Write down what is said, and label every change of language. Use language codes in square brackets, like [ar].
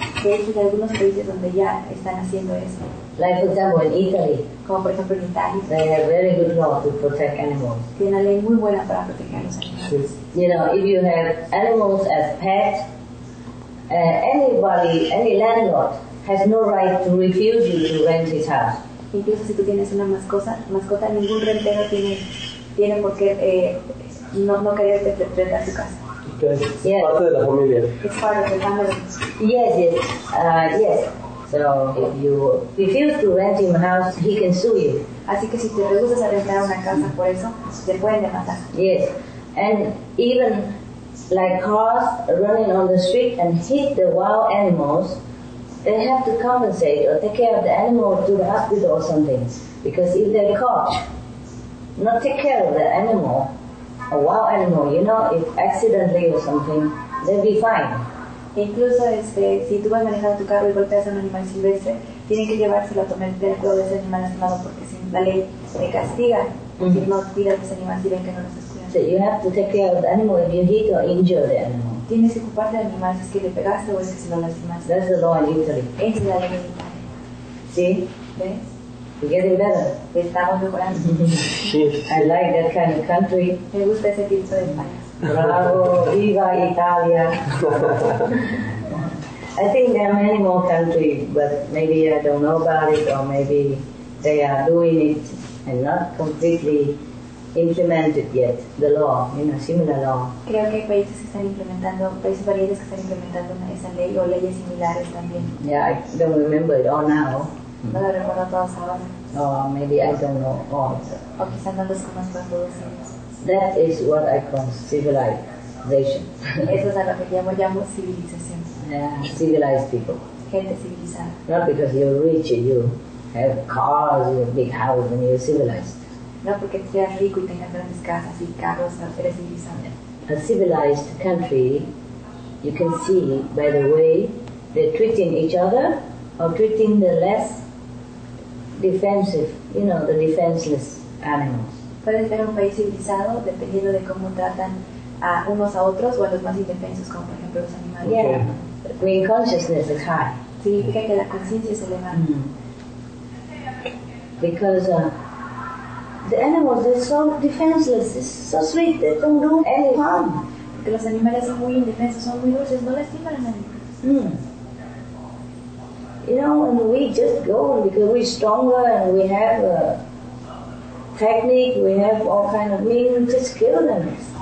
[es] De hecho, hay algunos países donde ya están haciendo eso. [en] Like, for example, in Italy. [es] Como por ejemplo en Italia. [en] They have very good law to protect animals. [es] Tiene una ley muy buena para proteger a los animales. [en] You know, if you have animals as pets, anybody, any landlord, has no right to refuse you to rent his house. [es] Incluso si tú tienes una mascota, ningún rentero tiene por qué. No quererte frente a su casa. Yes. Parte de la familia. [en] It's part of the family. Yes. Yes. So if you refuse to rent him a house, he can sue you. [es] Así que si te rehusas a rentar una casa por eso, te pueden demandar. [en] Yes. And even like cars running on the street and hit the wild animals, they have to compensate or take care of the animal to the hospital or something. Because if they're caught, not take care of the animal, a wild animal, you know, if accidentally or something, they'll be fine. [es] Incluso, si tú vas manejando tu carro y golpeas a un animal silvestre, tienen que llevárselo a tomar el pelo de ese animal lastimado, porque si la ley te castiga, si no cuidas a ese animal, si ven que no lo estás cuidando. [en] that you have to take care of the animal if you hit or injure the animal. [es] Tienes que ocuparte del animal si es que le pegaste o si es que lo lastimaste. [en] That's the law in Italy. [es] Esa es la ley en Italia. ¿Sí? ¿Ves? [en] We're getting better. [es] Estamos mejorando. [en] I like that kind of country. [es] Me gusta ese tipo de país. Bravo, viva Italia. [en] I think there are many more countries, but maybe I don't know about it, or maybe they are doing it and not completely implemented yet, the law, you know, similar law. [es] Creo que hay países que están implementando, países variantes que están implementando esa ley o leyes similares también. [en] Yeah, I don't remember it all now. [es] No lo recuerdo todas ahora. [en] Or maybe I don't know all. [es] O quizá no los conozco a todos ellos. [en] That is what I call civilization. [es] Eso es a lo que llamo civilización. [en] Civilized people. [es] Gente civilizada. [en] Not because you're rich and you have cars, you have big house, and you're civilized. [es] No porque seas rico y tengas grandes casas y carros, eres civilizado. [en] A civilized country, you can see by the way they're treating each other or treating the less defensive, you know, the defenseless animals. [es] Puedes ver un país civilizado dependiendo de cómo tratan a unos a otros o a los más indefensos, como por ejemplo los animales. [en] Yeah. I mean, consciousness is high. [es] Significa que la conciencia es elevada. Mm. [en] Because the animals are so defenseless, it's so sweet, they don't do any harm. [es] Porque los animales son muy indefensos, son muy dulces, no lastiman a nadie. Mm. [en] You know, and we just go because we're stronger and we have a technique, we have all kind of means to kill them.